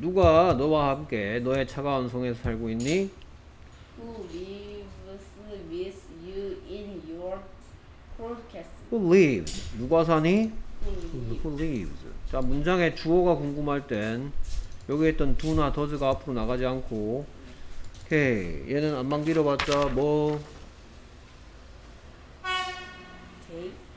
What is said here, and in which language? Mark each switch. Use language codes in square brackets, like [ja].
[ko] 누가 너와 함께 너의 차가운 성에서 살고 있니? [en] Who lives with you in your cold castle? Who lives? [ko] 누가 사니? [en] Who lives? [ko] 자, 문장의 주어가 궁금할 땐 여기 있던 do나 does가 앞으로 나가지 않고 오케이, 얘는 안만 길어봤자 뭐? [en] Okay.